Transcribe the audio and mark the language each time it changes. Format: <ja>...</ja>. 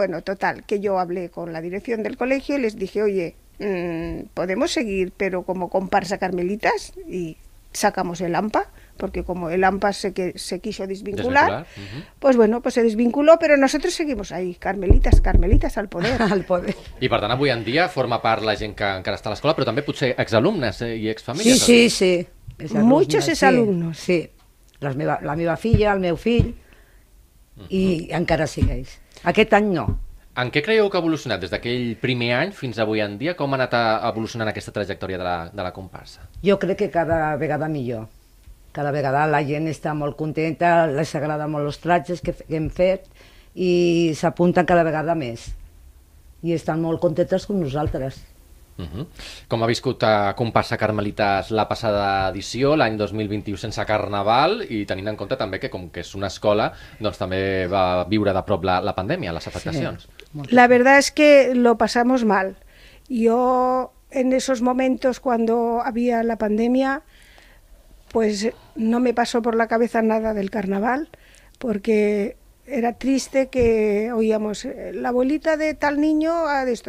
<es>Bueno, total, que yo hablé con la dirección del colegio y les dije, oye, podemos seguir, pero como comparsa Carmelitas, y sacamos el AMPA, porque como el AMPA se quiso desvincular, uh-huh. Pues bueno, pues se desvinculó, pero nosotros seguimos ahí, Carmelitas al poder. Al poder.</es> <ca>I per tant, avui en dia forma part la gent que encara està a l'escola, però també potser exalumnes i exfamílies. Sí.</ca> <es>Muchos exalumnos.</es> <ca>Sí. La meva filla, el meu fill... Mm-hmm. I encara sigueix. Aquest any no. En què creieu que ha evolucionat des d'aquell primer any fins avui en dia? Com ha anat evolucionant aquesta trajectòria de la comparsa? Jo crec que cada vegada millor. Cada vegada la gent està molt contenta, les agrada molt els trajes que hem fet i s'apunten cada vegada més. I estan molt contentes com nosaltres. Com ha viscut a Comparsa Carmelites la passada edició, l'any 2021 sense carnaval, i tenint en compte també que com que és una escola, doncs també va viure de prop la pandèmia, les afectacions.</ca> <es>Sí. La verdad es que lo pasamos mal. Yo en esos momentos cuando había la pandemia, pues no me pasó por la cabeza nada del carnaval, porque era triste que oíamos la abuelita de tal niño a esto.</es>